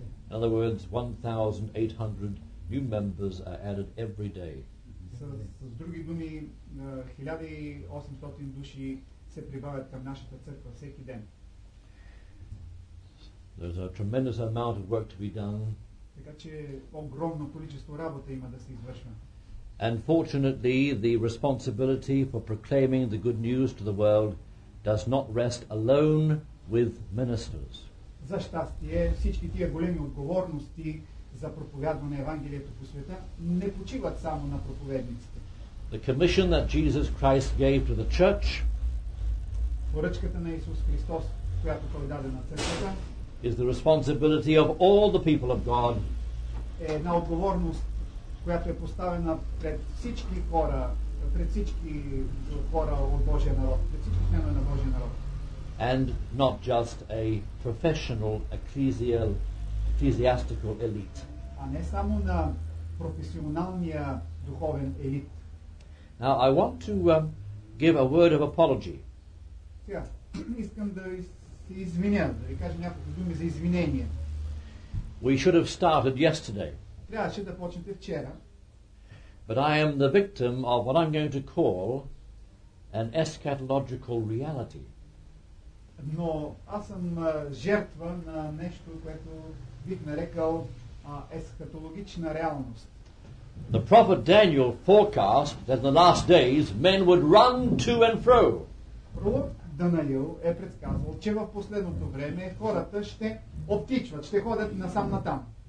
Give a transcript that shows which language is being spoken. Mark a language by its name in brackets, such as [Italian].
[English] In other words, 1,800 new members are added every day. [Bulgarian] С други думи, 1,800 души се прибавят към нашата църква всеки ден. [English] There's a tremendous amount of work to be done. [Bulgarian] Така че огромно количество работа има да се извършва. [English] And fortunately, the responsibility for proclaiming the good news to the world does not rest alone with ministers. [Bulgarian] За щастие, всички тия големи отговорности за проповядване Евангелието по света не почиват само на проповедниците. [English] The commission that Jesus Christ gave to the church, [Bulgarian] поръчката на Исус Христос, която той даде на църквата, [English] is the responsibility of all the people of God. [Bulgarian] Е една отговорност, която е поставена пред всички хора, пред всички хора от Божия народ, пред всички членове на Божия народ. [English] And not just a professional ecclesiastical elite. [Bulgarian] А не само на професионалния духовен елит. [English] Now I want to give a word of apology. [Bulgarian] Сега, искам да да ви кажа няколко думи за извинение. [English] We should have started yesterday. [Bulgarian] Трябваше да почнете вчера. [English] But I am the victim of what I'm going to call an eschatological reality. [Bulgarian] Но аз съм жертва на нещо, което бих нарекал есхатологична реалност. [English] The prophet Daniel forecast that in the last days men would run to and fro. [Bulgarian] Даниил е предсказвал, че в последното време хората ще оптичват, ще ходят насам натам.